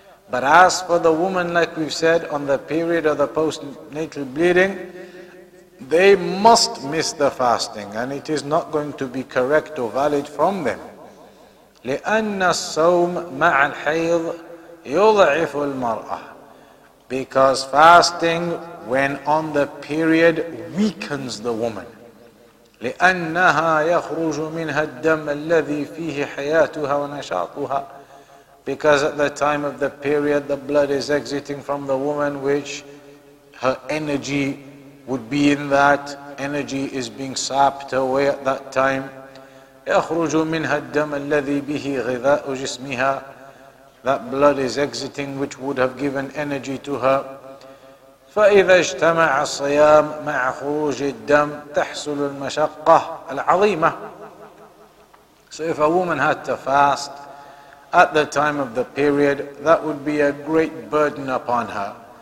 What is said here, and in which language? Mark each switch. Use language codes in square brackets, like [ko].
[en] But as for the woman, like we've said, on the period of the postnatal bleeding, they must miss the fasting, and it is not going to be correct or valid from them. [ar] لِأَنَّ الصَّوْمَ مَعَ الْحَيْضِ يُضْعِفُ الْمَرْأَةُ. [en] Because fasting, when on the period, weakens the woman. [ar] لأنها يخرج منها الدم الذي فيه حياتها ونشاطها. [en] Because at the time of the period, the blood is exiting from the woman, which her energy would be in that. Energy is being sapped away at that time. [ar] يخرج منها الدم الذي به غذاء جسمها. [en] That blood is exiting, which would have given energy to her. [ar] فَإِذَا اجْتَمَعَ الصِّيَامُ مَعَ خُرُوجِ الدَّمِ تَحْسُلُ الْمَشَقَّةُ الْعَظِيمَةُ. [en] So if a woman had to fast at the time of the period, that would be a great burden upon her.